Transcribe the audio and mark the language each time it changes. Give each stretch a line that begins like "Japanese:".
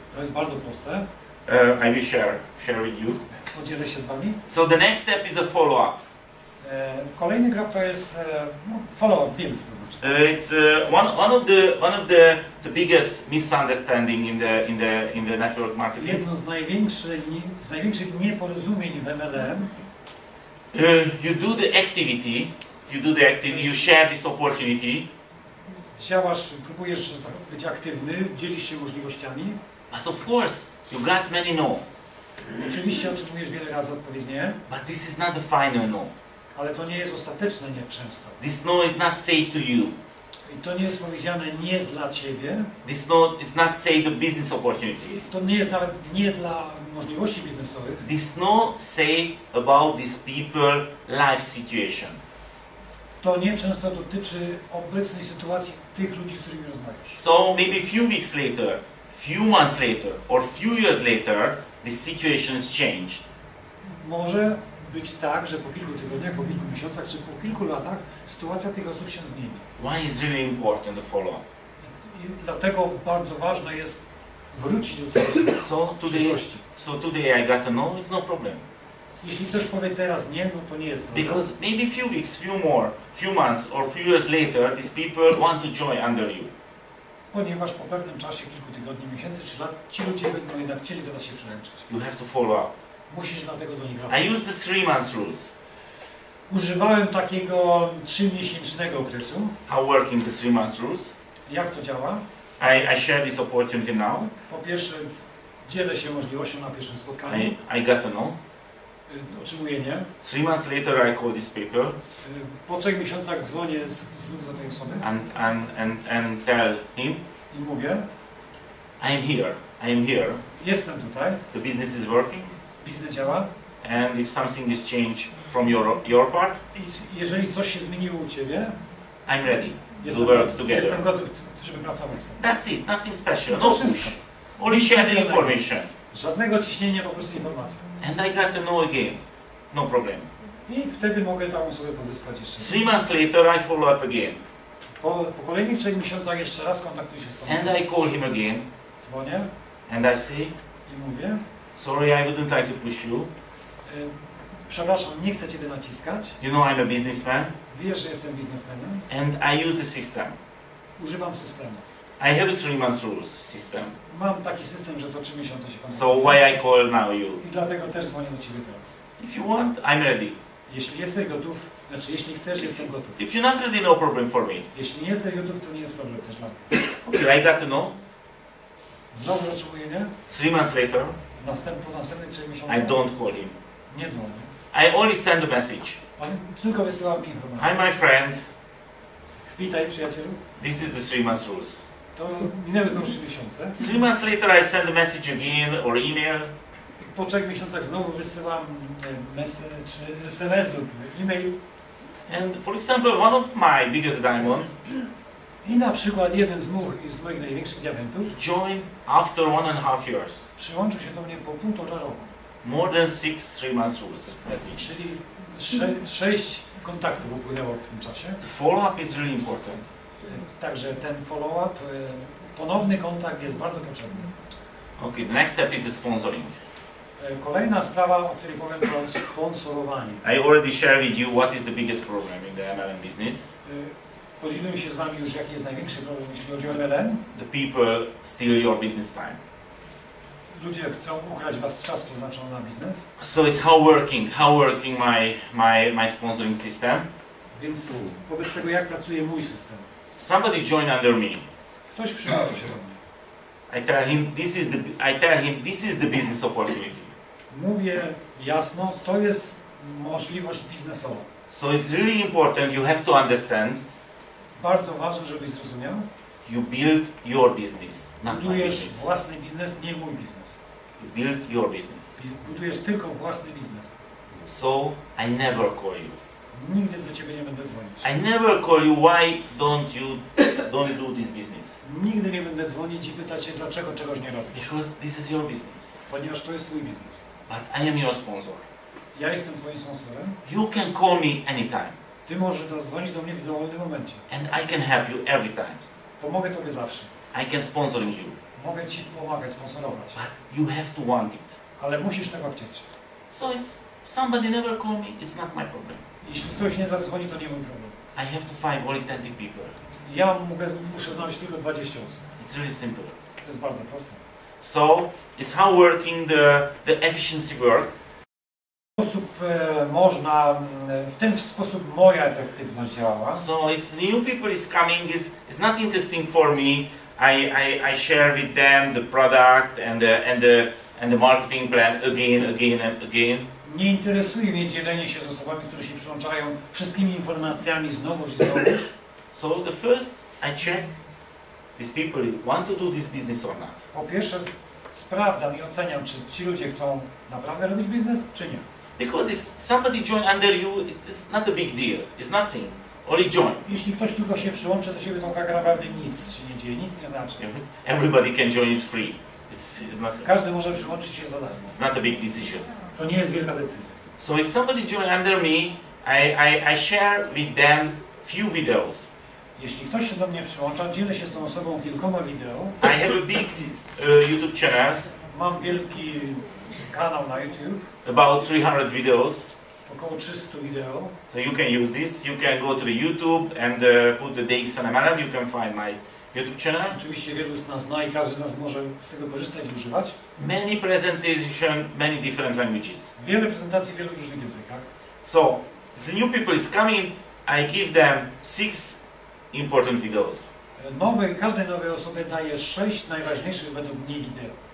Polish: To jest bardzo proste.
English: I will share with you.
Polish: Podzielę się z wami.
English: So the next step is a follow-up.
Polish: Kolejny grab to jest follow-up film.
English: It's one of the biggest misunderstanding in the network marketing.
Polish: Jedno z największych nieporozumień w MLM.
English: You do the activity, you share this opportunity.
Polish: Działasz, próbujesz być aktywny, dzielisz się możliwościami.
English: But of course, you got many no.
Polish: Oczywiście otrzymujesz wiele razy odpowiedź nie.
English: But this is not the final no.
Polish: Ale to nie jest ostateczne nie często.
English: This no is not said to you.
Polish: I to nie jest powiedziane nie dla ciebie.
English: This no is not said to business opportunity.
Polish: To nie jest nawet nie dla możliwości biznesowych.
English: This no say about this people life situation.
Polish: To nie często dotyczy obecnej sytuacji tych ludzi, z którymi rozmawiasz.
English: So maybe few weeks later, few months later, or few years later, the situation has changed.
Polish: Może być tak, że po kilku tygodniach, po kilku miesiącach, czy po kilku latach sytuacja tych osób się zmieni.
English: Why is really important to follow?
Polish: I dlatego bardzo ważne jest wrócić do tego przyszłości.
English: So today I got to know, it's no problem.
Polish: Jeśli ktoś powie teraz nie, no to nie jest problem.
English: Because maybe few weeks, few more, few months or few years later, these people want to join under you.
Polish: Ponieważ po pewnym czasie, kilku tygodni, miesięcy czy lat, ci ludzie będą jednak chcieli do nas się przyłączyć.
English: You have to follow up.
Polish: Musisz dlatego do nich wracać.
English: I use the 3 months rules.
Polish: Używałem takiego 3-miesięcznego okresu.
English: How working the 3 months rules?
Polish: Jak to działa?
English: I share this opportunity now.
Polish: Po pierwsze, dzielę się możliwością na pierwszym spotkaniu.
English: I got to know.
Polish: Otrzymuję nie.
English: 3 months later I call this people.
Polish: Po 3 miesiącach dzwonię znów do tej osoby.
English: And tell him.
Polish: I mówię.
English: I am here.
Polish: Jestem tutaj.
English: The business is working.
Polish: Biznes działa.
English: And if something is changed from your part.
Polish: Jeżeli coś się zmieniło u ciebie.
English: I'm ready. We'll work together.
Polish: Jestem gotów, żeby pracować z tym.
English: That's it. Nothing special. No push. Only share the information.
Polish: Żadnego ciśnienia, po prostu informacja.
English: And I got to know again. No problem.
Polish: I wtedy mogę tam sobie pozyskać jeszcze.
English: 3 months later I follow up again.
Polish: Po kolejnych 3 miesiącach jeszcze raz kontaktuję się z tobą.
English: And I call him again.
Polish: Dzwonię.
English: And I say.
Polish: I mówię.
English: Sorry, I wouldn't like to push you.
Polish: Przepraszam, nie chcę ciebie naciskać.
English: You know I'm a businessman.
Polish: Wiesz, że jestem biznesmenem.
English: And I use the system.
Polish: Używam systemu.
English: I have a 3 months rules system.
Polish: Mam taki system, że co 3 miesiące się pamiętam.
English: So why I call now you?
Polish: I dlatego też dzwonię do ciebie teraz.
English: If you want, I'm ready.
Polish: Jeśli jesteś gotów, znaczy jeśli chcesz, jestem gotów.
English: If you're not ready, no problem for me.
Polish: Jeśli nie jesteś gotów, to nie jest problem też dla mnie.
English: Okay, I got to know.
Polish: Znowu otrzymuję nie.
English: 3 months later.
Polish: Po następnych 3 miesiące.
English: I don't call him.
Polish: Nie dzwonię.
English: I only send a message.
Polish: Tylko wysyłam mi informację.
English: Hi my friend.
Polish: Witaj przyjacielu.
English: This is the 3 months rules.
Polish: To minęły znowu 3 miesiące.
English: 3 months later I send a message again or email.
Polish: Po 3 miesiącach znowu wysyłam message, SMS lub e-mail.
English: And for example, one of my biggest diamond.
Polish: I na przykład jeden z moich największych diamentów.
English: Join after 1.5 years.
Polish: Przyłączył się do mnie po 1.5 roku.
English: More than 6 3 months rules message.
Polish: Czyli 6 kontaktów upłynęło w tym czasie.
English: The follow-up is really important.
Polish: Także ten follow-up, ponowny kontakt jest bardzo potrzebny.
English: Ok, the next step is the sponsoring.
Polish: Kolejna sprawa, o której powiem, to sponsorowanie.
English: I already shared with you what is the biggest problem in the MLM business.
Polish: Podzieliłem się z wami już, jaki jest największy problem, jeśli chodzi o MLM.
English: The people steal your business time.
Polish: Ludzie chcą ukraść was czas przeznaczony na biznes.
English: So it's how working my sponsoring system.
Polish: Więc wobec tego, jak pracuje mój system.
English: Somebody join under me.
Polish: Ktoś przyłączy się do mnie.
English: I tell him this is the business opportunity.
Polish: Mówię jasno, to jest możliwość biznesowa.
English: So it's really important, you have to understand.
Polish: Bardzo ważne, żebyś zrozumiał.
English: You build your business, not
Polish: budujesz
English: my business.
Polish: Własny biznes, nie mój biznes.
English: You build your business.
Polish: Budujesz tylko własny biznes.
English: So I never call you.
Polish: Nigdy do ciebie nie będę dzwonić.
English: I never call you, why don't you do this business?
Polish: Nigdy nie będę dzwonić i pytać się, dlaczego czegoś nie robisz.
English: Because this is your business.
Polish: Ponieważ to jest twój biznes.
English: But I am your sponsor.
Polish: Ja jestem twoim sponsorem.
English: You can call me anytime.
Polish: Ty możesz zadzwonić do mnie w dowolnym momencie.
English: And I can help you every time.
Polish: Pomogę tobie zawsze.
English: I can sponsor you.
Polish: Mogę ci pomagać, sponsorować.
English: But you have to want it.
Polish: Ale musisz tego chcieć.
English: So it's, somebody never call me, it's not my problem.
Polish: Jeśli ktoś nie zadzwoni, to nie mam problemu.
English: I have to find only 20 people.
Polish: Ja muszę znaleźć tylko 20 osób.
English: It's really simple.
Polish: To jest bardzo proste.
English: So, it's how working the efficiency work.
Polish: W ten sposób można, w ten sposób moja efektywność działa.
English: So, it's new people is coming, it's not interesting for me. I share with them the product and the marketing plan again.
Polish: Nie interesuje mnie dzielenie się z osobami, które się przyłączają, wszystkimi informacjami znowu i znowu.
English: So the first I check these people want to do this business or not.
Polish: Po pierwsze sprawdzam i oceniam, czy ci ludzie chcą naprawdę robić biznes, czy nie.
English: Because if somebody join under you, it's not a big deal. It's nothing. Only join.
Polish: Jeśli ktoś tylko się przyłączy do siebie, to tak naprawdę nic się nie dzieje, nic nie znaczy.
English: Everybody can join, is free. It's nothing.
Polish: Każdy może przyłączyć się za darmo.
English: It's not a big decision.
Polish: To nie jest wielka decyzja.
English: So if somebody join under me, I share with them few videos.
Polish: Jeśli ktoś się do mnie przyłącza, dzielę się z tą osobą kilkoma wideo.
English: I have a big YouTube channel.
Polish: Mam wielki kanał na YouTube.
English: About 300 videos.
Polish: Około 300 wideo.
English: So you can use this. You can go to the YouTube and put the DX and MLM. You can find my YouTube channel.
Polish: Oczywiście wielu z nas zna i każdy z nas może z tego korzystać i używać.
English: Many presentation, many different languages.
Polish: Wiele prezentacji, wielu różnych językach.
English: So, the new people is coming. I give them 6 important videos.
Polish: Każdej nowej osobie daje 6 najważniejszych według mnie wideo.